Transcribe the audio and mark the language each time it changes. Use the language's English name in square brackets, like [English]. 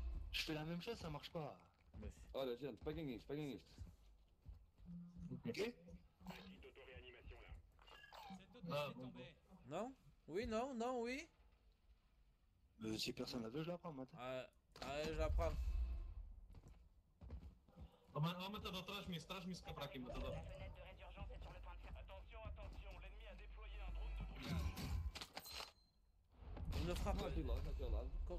[French] Je fais la même chose, ça marche pas! Oh là, tiens, pas gagné! Ok? Non? Oui, non, oui! Si personne la veut, je la prends maintenant! Allez, je la prends! [Portuguese] Oh matador, traz-me isso cá para aqui, matador. [French] Attention, l'ennemi a déployé un drone de drone. Il ne frappe pas.